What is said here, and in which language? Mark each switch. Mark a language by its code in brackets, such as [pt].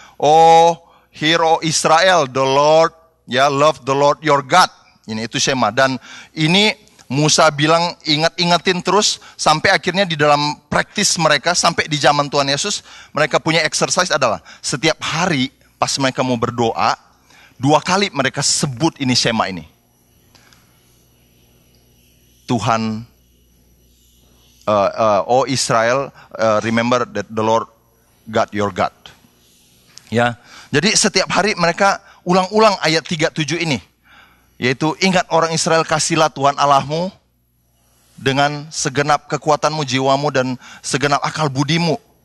[en] Oh, hear O Israel, the Lord, ya, love the Lord your God. [id] Ini itu syema. Dan ini Musa bilang ingat-ingatin terus sampai akhirnya di dalam praktis mereka sampai di zaman Tuhan Yesus, mereka punya exercise adalah setiap hari pas mereka mau berdoa, dua kali mereka sebut ini syema ini. [en] Tuhan, O Israel, remember that the Lord God your God. [id] Ya, jadi setiap hari mereka ulang-ulang ayat 37 ini, yaitu ingat orang Israel, kasihlah Tuhan Allahmu dengan segenap kekuatanmu, jiwamu, dan segenap akal budimu.